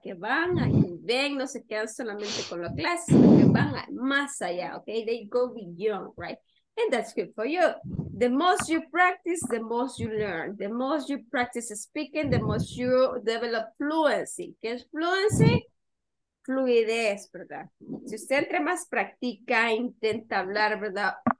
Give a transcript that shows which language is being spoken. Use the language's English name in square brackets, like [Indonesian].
[Spanish] Que van y ven, no se quedan solamente con la clase, sino que van más allá, okay? [English] They go beyond, right? And that's good for you. The most you practice, the most you learn. The most you practice speaking, the most you develop fluency. [Spanish] ¿Qué es fluency? Fluidez, ¿verdad? Si usted entre más practica, intenta hablar, ¿verdad?